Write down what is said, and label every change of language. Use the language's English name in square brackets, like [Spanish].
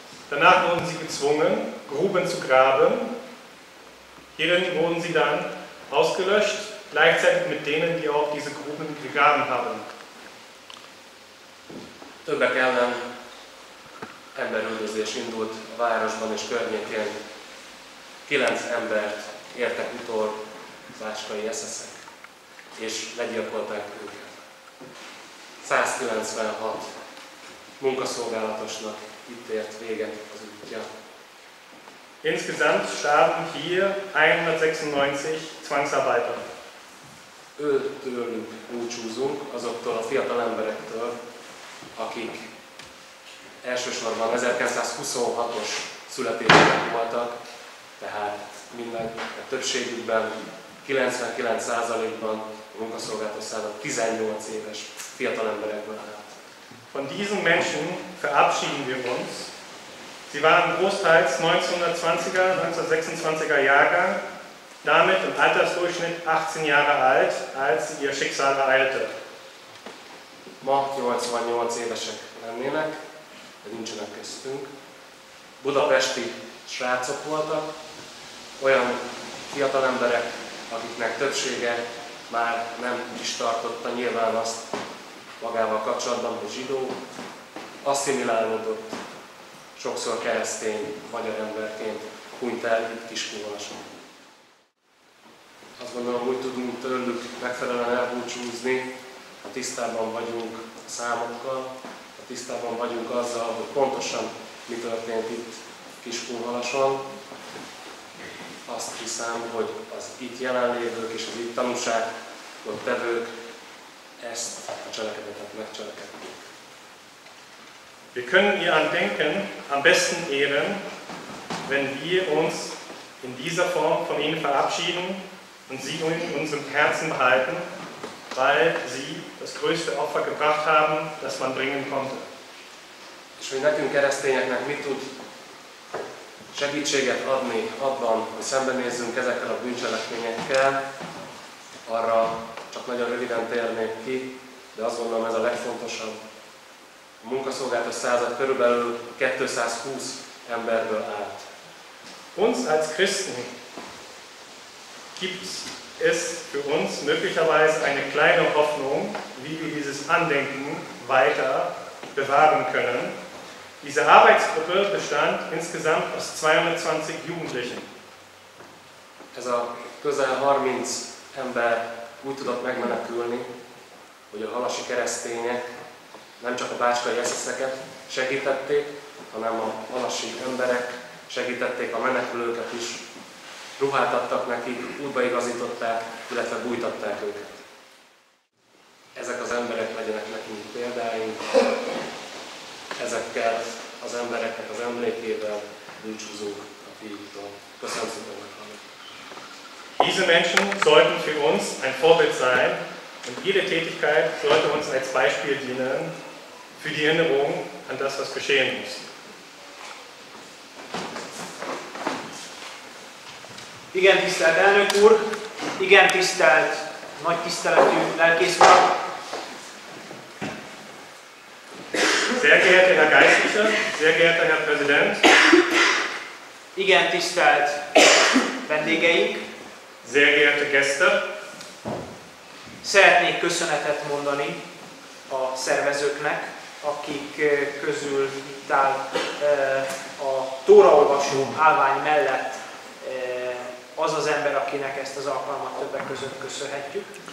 [German] Danach wurden sie gezwungen, Gruben zu graben. Hierin wurden sie dann ausgelöscht, gleichzeitig mit denen, die auch diese Gruben gegraben haben. [Hungarian] Többek ellen emberüldözés indult a városban és környékén. 9 embert értek utol bácskai SS-ek, és legyilkolták őket. 196 munkaszolgálatosnak itt ért véget az útja. [German] Insgesamt starben hier 196 Zwangsarbeiter. [Hungarian] Őtőlünk búcsúzunk, azoktól a fiatal emberektől, akik elsősorban 1926-os születésűek voltak, tehát minden a többségükben 99%-ban a munkaszolgálatos század 18 éves fiatal emberekből állt. [German] Von diesen Menschen verabschieden wir uns. Sie waren großteils 1920er, 1926er Jahrgang, damit im Altersdurchschnitt 18 Jahre alt, als sie ihr Schicksal ereilte. [Hungarian] Ma 88 évesek lennének, de nincsenek köztünk. Budapesti srácok voltak, olyan fiatal emberek, akiknek többsége már nem is tartotta nyilván azt magával kapcsolatban, hogy zsidó, asszimilálódott. Sokszor keresztény, magyar emberként hunyt el itt Kiskunhalason. Azt gondolom, hogy tudunk tőlük megfelelően elbúcsúzni, ha tisztában vagyunk a számokkal, ha tisztában vagyunk azzal, hogy pontosan mi történt itt Kiskunhalason. Azt hiszem, hogy az itt jelenlévők és az itt tanúságot tevők ezt a cselekedetet megcselekedik. [German] Wir können ihr Andenken am besten ehren, wenn wir uns in dieser Form von ihnen verabschieden und sie in unserem Herzen behalten, weil sie das größte Opfer gebracht haben, das man bringen konnte. [Hungarian] És hogy nekünk keresztényeknek mit tud segítséget adni abban, hogy szembenézzünk ezekkel a bűncselekményekkel, arra csak nagyon röviden térnék ki, de azt gondolom ez a legfontosabb. A munkaszolgálatos század körülbelül 220 emberből állt. [German] Uns als Christen gibt es für uns möglicherweise eine kleine Hoffnung, wie wir dieses Andenken weiter bewahren können. Diese Arbeitsgruppe bestand insgesamt aus 220 Jugendlichen. [Hungarian] Ez a közel 30 ember úgy tudott megmenekülni, hogy a halasi keresztények nem csak a báskai eszeszeket segítették, hanem a halasi emberek segítették a menekülőket is. Ruhát adtak nekik, útbaigazították, illetve bújtatták őket. Ezek az emberek legyenek nekünk példáink, ezekkel az embereknek az emlékével búcsúzunk a fiúktól. Köszönöm szépen, hogy [German] diese Menschen sollten für uns ein Vorbild sein und jede Tätigkeit sollte uns als Beispiel dienen für die Erinnerung an das, was geschehen muss. [Hungarian] Igen, tisztelt elnök úr, igen, tisztelt, nagy tiszteletű lelkész úr. [German] Sehr geehrter Herr Geistlicher, sehr geehrter Herr Präsident. [Hungarian] Igen, tisztelt vendégeink. [German] Sehr geehrte Gäste. [Hungarian] Szeretnék köszönetet mondani a szervezőknek, akik közül itt áll a tóraolvasó állvány mellett az az ember, akinek ezt az alkalmat többek között köszönhetjük.